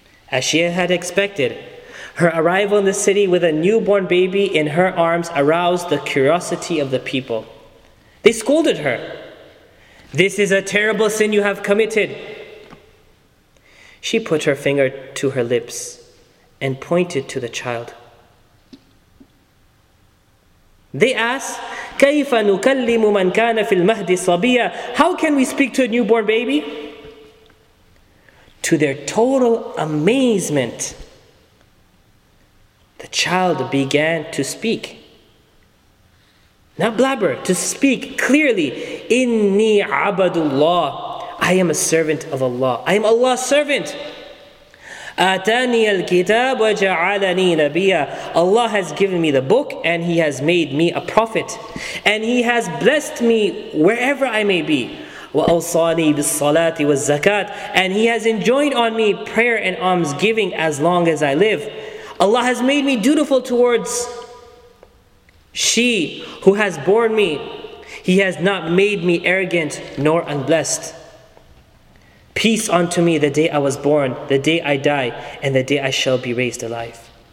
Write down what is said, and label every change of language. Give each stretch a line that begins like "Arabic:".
English: As she had expected, her arrival in the city with a newborn baby in her arms aroused the curiosity of the people. They scolded her. This is a terrible sin you have committed. She put her finger to her lips and pointed to the child. They ask,
Arabic: كيف نكلم من كان في المهد صبيا?
English: How can we speak to a newborn baby? To their total amazement, the child began to speak. Not blabber, to speak clearly.
Arabic: إني عبد الله.
English: I am a servant of Allah. I am Allah's servant.
Arabic: أتاني الكتاب وجعلني نبيا.
English: Allah has given me the book and He has made me a prophet. And He has blessed me wherever I may be.
Arabic: وأوصاني بالصلاة والزكاة.
English: And He has enjoined on me prayer and almsgiving as long as I live. Allah has made me dutiful towards she who has borne me. He has not made me arrogant nor unblessed. Peace unto me the day I was born, the day I die, and the day I shall be raised alive.